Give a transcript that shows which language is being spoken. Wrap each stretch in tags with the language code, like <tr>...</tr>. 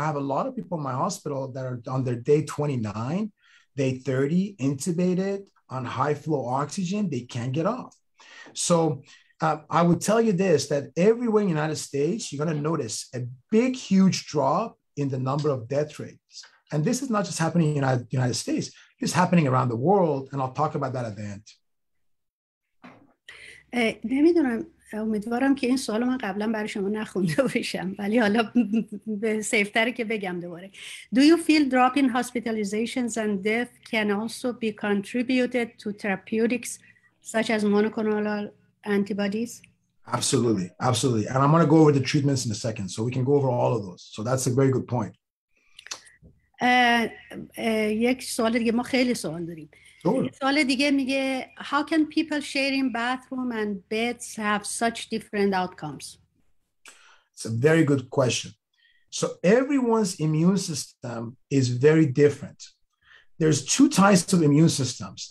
<en>I have a lot of people in my hospital that are on their day 29, day 30, intubated on high flow oxygen, they can't get off. So I would tell you this, that everywhere in the United States, you're gonna notice a big, huge drop in the number of death rates. And this is not just happening in the United States, it's happening around the world, and I'll talk about that at the end.</en> <fa>نمیدونم، امیدوارم که این سوال من قبلا برای شما نخونده باشم، ولی حالا به سیفتره که بگم دوباره.</fa> <en>Do you feel drop in hospitalizations and death can also be contributed to therapeutics such as monoclonal antibodies? Absolutely, absolutely. And I'm going to go over the treatments in a second, so we can go over all of those. So that's a very good point.</en> <fa>یک سوال دیگه، ما خیلی سوال داریم.</fa> <en>Sure.</en> <fa>سوال دیگه میگه</fa> <en>how can people sharing bathroom and beds have such different outcomes? It's a very good question. So everyone's immune system is very different. There's two types of immune systems.</en>